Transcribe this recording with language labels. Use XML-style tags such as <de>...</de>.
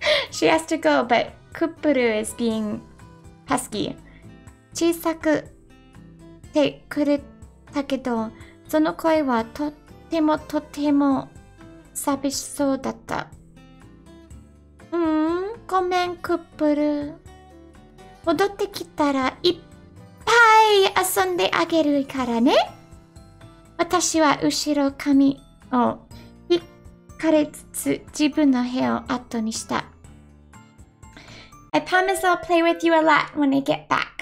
<en>She has to go, but Kuppuru is being pesky.</en> <ja>小さくてくれたけど、その声はとても寂しそうだった。ごめん、クップル。戻ってきたらいっぱい遊んであげるからね。私は後ろ髪を引かれつつ自分の部屋を後にした。</ja> <en>I promise I'll play with you a lot when I get back.</en>